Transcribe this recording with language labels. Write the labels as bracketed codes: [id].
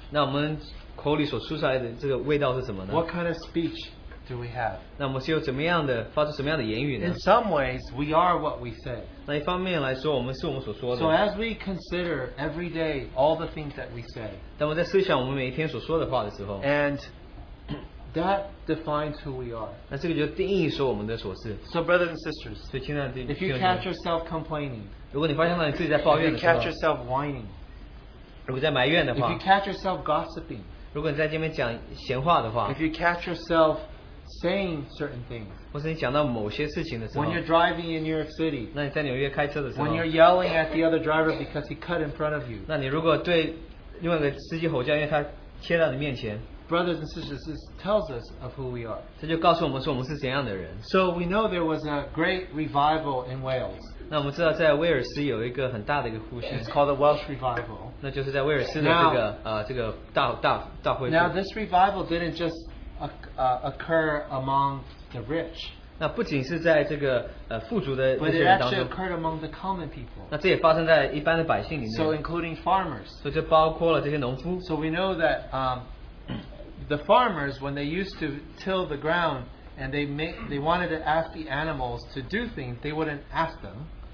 [zh] 那我们口里所出来的这个味道是什么呢? [en] What kind of speech do we have? [zh] 那我们是有怎么样的发出什么样的言语呢? [en] In some ways, we are what we say. [zh] 那一方面来说，我们是我们所说的。 [en] So as we consider every day all the things that we say, [zh] 当我们在思想我们每一天所说的话的时候, [en] and that defines who we are. [zh] 那这个就定义说我们的所是。 [en] So brothers and sisters, [zh] 所以亲爱的, [en] if you catch yourself complaining, [zh] 如果你发现到你自己在抱怨的时候, [en] if you catch yourself whining, [zh] 如果在埋怨的话, [en] if you catch yourself gossiping, [zh] 如果你在这边讲闲话的话, [en] if you catch yourself saying certain things, [zh] 或是你讲到某些事情的时候, [en] when you're driving in New York City, [zh] 那你在纽约开车的时候, [en] when you're yelling at the other driver because he cut in front of you, [zh] 那你如果对另外一个司机吼叫，因为他切到你面前, [en] brothers and sisters, this tells us of who we are. [zh] 这就告诉我们说我们是怎样的人。 [en] So we know there was a great revival in Wales. [zh] 那我们知道在威尔斯有一个很大的一个复兴。 [en] It's called the Welsh Revival. [zh] 那就是在威尔斯的这个大会。 [en] Now this revival didn't just occur among the rich. [zh] 那不仅是在这个富足的那些人当中。 [en] But it actually occurred among the common people. [zh] 那这也发生在一般的百姓里面。 [en] So including farmers. [zh] 所以就包括了这些农夫。 [en] So we know that the farmers, when they used to till the ground and they wanted to ask the animals to do things, they wouldn't ask them.